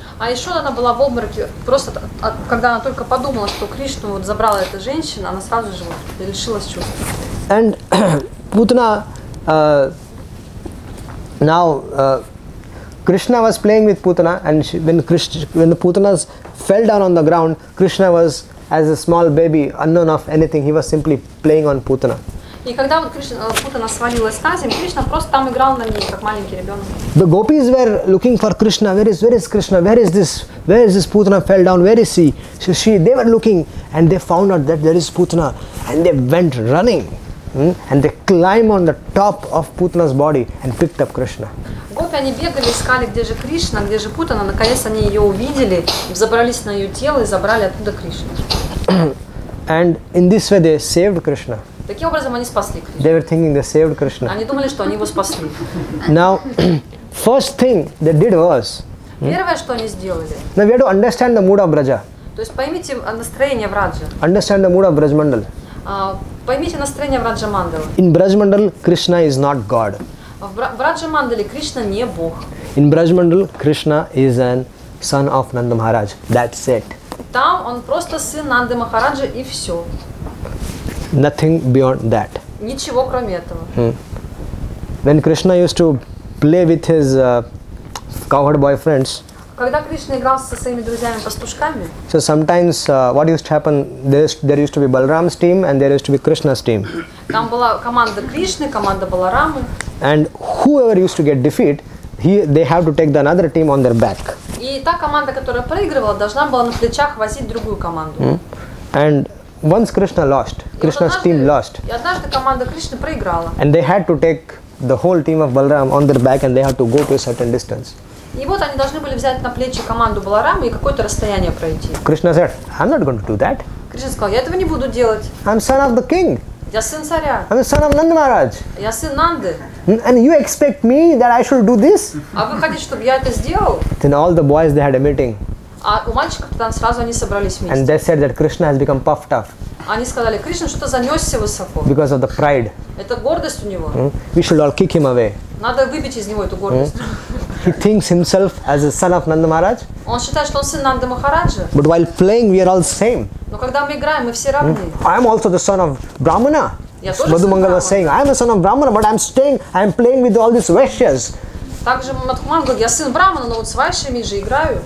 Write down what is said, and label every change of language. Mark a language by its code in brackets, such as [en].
[ru] А Yashoda, она была в обмороке просто когда она только подумала, что Кришну вот забрала эта женщина, она сразу же вот лишилась чувств. [en] And Putana, now Krishna was playing with Putana, and when the Putana fell down on the ground, Krishna was as a small baby, unknown of anything. He was simply playing on Putana. [ru] И когда вот Путана свалилась на землю, Кришна просто там играл на ней, как маленький ребенок. [en] The gopis were looking for Krishna. Where is Krishna? Where is this Putana fell down? Where is he? So they were looking, and they found out that there is Putana, and they went running. And they climb on the top of Putana's body and picked up Krishna. [ru] Гопи, они бегали, искали, где же Кришна, где же Путана. Наконец они ее увидели, взобрались на ее тело и забрали оттуда Кришну. [en] And in this way they saved Krishna. [ru] Таким образом они спасли Кришну. [en] They were thinking they saved Krishna. [ru] Они думали, что они его спасли. [en] Now, first thing they did was. [ru] Первое, что они сделали. [en] Now we have to understand the mood of Braja. [ru] То есть поймите настроение в Раджа. [en] Understand the mood of Брадж-мандала. [ru] Поймите настроение в Раджа-мандале. [en] In Брадж-мандале Krishna is not God. [ru] В Раджа-мандале Кришна не Бог. [en] In Брадж-мандале Krishna is a son of Nanda Maharaj. That's it. [ru] Там он просто сын Нанды Махараджа и все. [en] Nothing beyond that. [ru] Ничего кроме этого. [en] When Krishna used to play with his cowherd boyfriends. [ru] Когда Кришна играл со своими друзьями-пастушками. [en] So sometimes what used to happen, there used to be Balaram's team and there used to be Krishna's team. [ru] Там была команда Кришны, команда Баларамы. [en] And whoever used to get defeat, they have to take the another team on their back. [ru] И та команда, которая проигрывала, должна была на плечах возить другую команду. [en] And once Krishna lost, Krishna's team lost. [ru] И однажды команда Кришны проиграла. [en] And they had to take the whole team of Balaram on their back and they had to go to a certain distance. [ru] И вот они должны были взять на плечи команду Баларамы и какое-то расстояние пройти. [en] Krishna said, I'm not going to do that. [ru] Кришна сказал, я этого не буду делать. [en] I'm son of the king. [ru] Я сын царя. [en] I'm the son of Nanda Maharaj. [ru] Я сын Нанды. [en] And you expect me that I should do this? [ru] А вы хотите, чтобы я это сделал? [en] Then all the boys, they had a meeting. [ru] А у мальчиков там сразу они собрались вместе. [en] And they said that Krishna has become puffed up. [ru] Они сказали, Кришна что-то занесся высоко. [en] Because of the pride. [ru] Это гордость у него. [en] We should all kick him away. [ru] Надо выбить из него эту гордость. [en] he thinks himself as a son of Nanda Maharaj. [ru] Он считает, что он сын Нанды Махараджа. [en] But while playing, we are all the same. [ru] Но когда мы играем, мы все равны. [en] I am also the son of Brahmana. Madhu Mangala was saying, I am a son of Brahmana, but I am playing with all these Vaishyas. [ru] Также Мадхуман говорит, я сын Брамана, но вот с вайшами же играю.